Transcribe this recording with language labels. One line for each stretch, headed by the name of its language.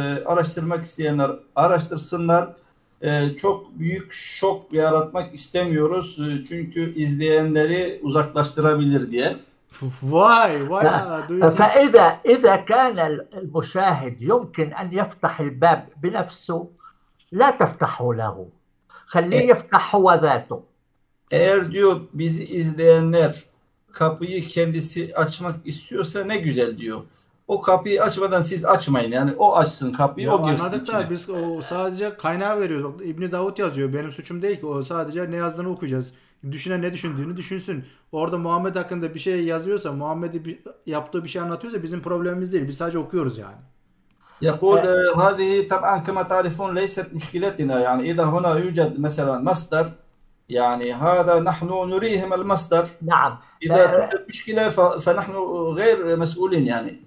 Turkish: Araştırmak isteyenler araştırsınlar. Çok büyük şok yaratmak istemiyoruz. Çünkü izleyenleri uzaklaştırabilir diye.
English: Why do you think so?
Arabic: فإذا كان المشاهد يمكن أن يفتح الباب بنفسه، لا تفتحه له، خليه يفتح هو ذاته.
Turkish: Eğer diyor bizi izleyenler kapıyı kendisi açmak istiyorsa ne güzel diyor. O kapıyı açmadan siz açmayın. Yani o açsın kapıyı, Ya o girsin anladık da içine. biz o sadece kaynağı veriyoruz. İbni Davud yazıyor. Benim suçum değil ki. O sadece ne yazdığını okuyacağız. Düşünen ne düşündüğünü düşünsün. Orada Muhammed hakkında bir şey yazıyorsa, Muhammed'i yaptığı bir şey anlatıyorsa bizim problemimiz değil. Biz sadece okuyoruz yani.
Arabic: يقول هذه طبعا كما تعرفون ليست مشكلتنا يعني إذا هنا يوجد مثلا مصدر يعني هذا نحن نريهم المصدر نعم. إذا توجد مشكلة فنحن غير مسؤولين يعني.